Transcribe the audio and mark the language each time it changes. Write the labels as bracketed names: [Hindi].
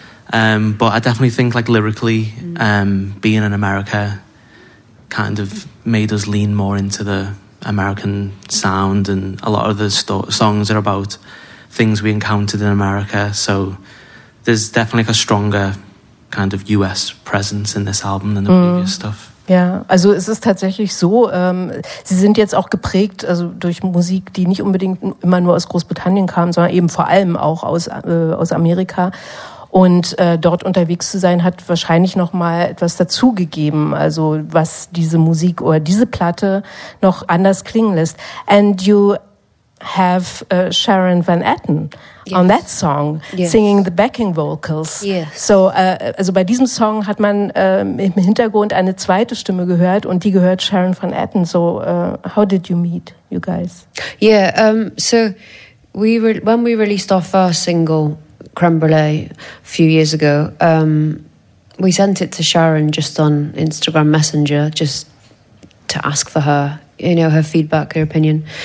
[English] But I definitely think, like, lyrically, being in America kind of made us lean more into the American sound, and a lot of the songs are about things we encountered in America, so there's definitely, like, a stronger kind of US presence in this album than the previous stuff. [German] Ja, also es ist tatsächlich so, sie sind jetzt auch geprägt, also durch Musik, die nicht unbedingt immer nur aus Großbritannien kam, sondern eben vor allem auch aus Amerika. Und dort unterwegs zu sein, hat wahrscheinlich noch mal etwas dazugegeben, also was diese Musik oder diese Platte noch anders klingen lässt. [English] And you have Sharon Van Etten on that song, singing the backing vocals. Yes. [German] So, also bei diesem Song hat man im Hintergrund eine zweite Stimme gehört und die gehört Sharon Van Etten. [English] So, how did you meet, you guys? Yeah, when we released our first single, Creme Brulee, a few years ago, we sent it to Sharon just on Instagram Messenger, just to ask for her, you know, her feedback, her opinion.